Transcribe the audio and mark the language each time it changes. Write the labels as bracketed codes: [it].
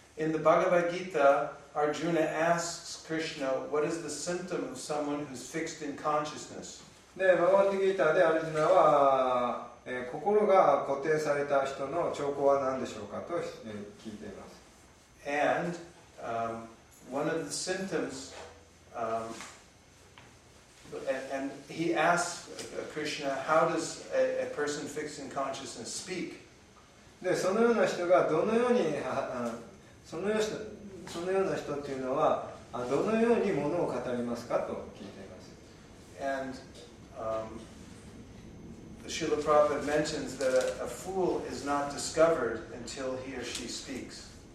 [en] In the Bhagavad Gita, Arjuna asks Krishna, "What is the symptom of someone who's fixed in consciousness?" [ja] で、バガヴァッド・ギーターでアルジュナは、心が固定された人の兆候は何でしょうかと、聞いています。 [en] And one of the symptoms, and he asks Krishna, "How does a person fixed in consciousness speak?" [ja] で、そのような人がどのようにそのような人というのはどのようにものを語りますかと聞いています。 [en] And Srila Prabhupada mentions that a fool is not discovered until he or she speaks.